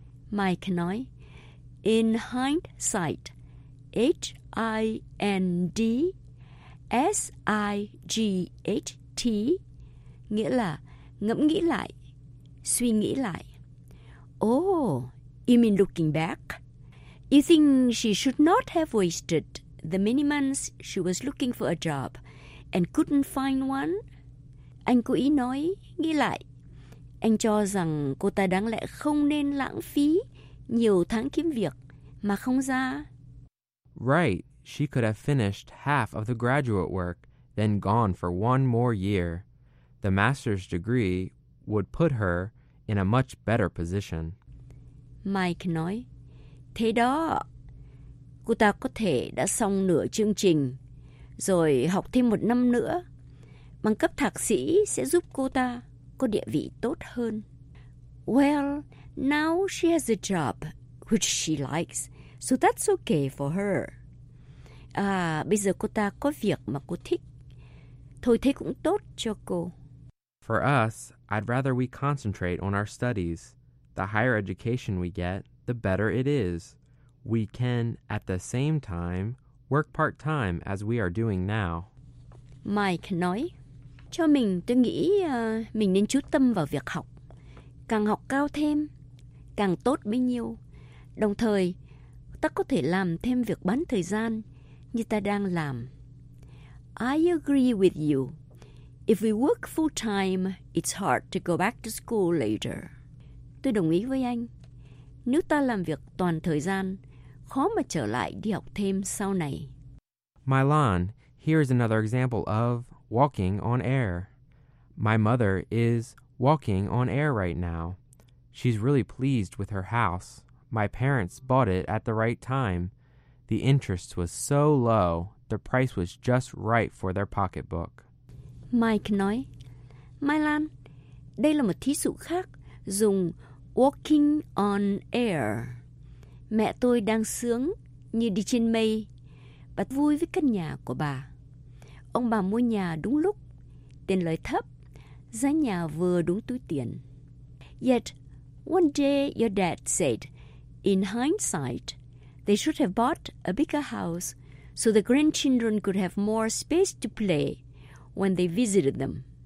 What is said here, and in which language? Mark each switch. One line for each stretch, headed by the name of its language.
Vietnamese: Mike nói,
English: in hindsight,
Vietnamese: H-I-N-D-S-I-G-H-T, nghĩa là ngẫm nghĩ lại, suy nghĩ lại.
English: Oh, you mean looking back? You think she should not have wasted the many months she was looking for a job and couldn't find one?
Vietnamese: Anh cố ý nói, nghĩ lại. Anh cho rằng cô ta đáng lẽ không nên lãng phí nhiều tháng kiếm việc mà không ra.
English: Right, she could have finished half of the graduate work, then gone for one more year. The master's degree would put her in a much better position.
Vietnamese: Mike nói, thế đó, cô ta có thể đã xong nửa chương trình, rồi học thêm một năm nữa. Bằng cấp thạc sĩ sẽ giúp cô ta có địa vị tốt hơn.
English: Well, now she has a job which she likes, so that's okay for her.
Vietnamese: À, bây giờ cô ta có việc mà cô thích. Thôi thế cũng tốt cho cô.
English: For us, I'd rather we concentrate on our studies. The higher education we get, the better it is. We can, at the same time, work part-time as we are doing now.
Vietnamese: Mike nói, cho mình, tôi nghĩ mình nên chú tâm vào việc học. Càng học cao thêm, càng tốt bấy nhiêu. Đồng thời, ta có thể làm thêm việc bán thời gian như ta đang làm.
English: I agree with you. If we work full-time, it's hard to go back to school later.
Vietnamese: Tôi đồng ý với anh. Nếu ta làm việc toàn thời gian, khó mà trở lại đi học thêm sau này.
English: Milan, here is another example of walking on air. My mother is walking on air right now. She's really pleased with her house. My parents bought it at the right time. The interest was so low, the price was just right for their pocketbook.
Vietnamese: Mike nói, Milan, đây là một thí dụ khác dùng
English: walking on air.
Vietnamese: Mẹ tôi đang sướng như đi trên mây, bà vui với căn nhà của bà. Ông bà mua nhà đúng lúc, tiền lời thấp, giá nhà vừa đúng túi tiền.
English: Yet, one day your dad said, in hindsight, they should have bought a bigger house so the grandchildren could have more space to play when they visited them.